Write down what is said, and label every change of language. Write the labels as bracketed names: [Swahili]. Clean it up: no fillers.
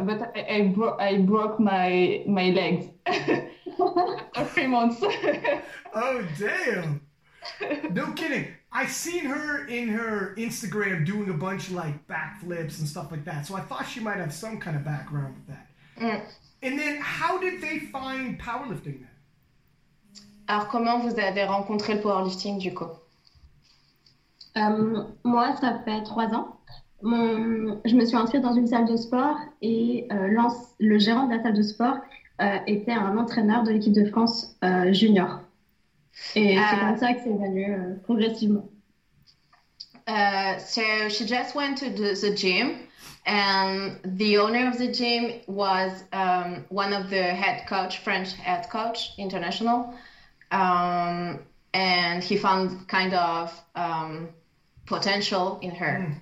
[English] But I broke my legs for 3 months. Oh damn! No kidding. I seen her in her Instagram doing a bunch of like backflips and stuff like that. So I thought she might have some kind of background with that. And then how did they find powerlifting then? [French] Alors, comment vous avez rencontré le powerlifting, du coup? Moi, ça fait 3 ans. Je me suis inscrite dans une salle de sport et le gérant de la salle de sport était un entraîneur de l'équipe de France junior. Et c'est comme ça que c'est venu progressivement. [English] So she just went to the gym, and the owner of the gym was one of the head coach, French head coach, international. And he found kind of potential in her.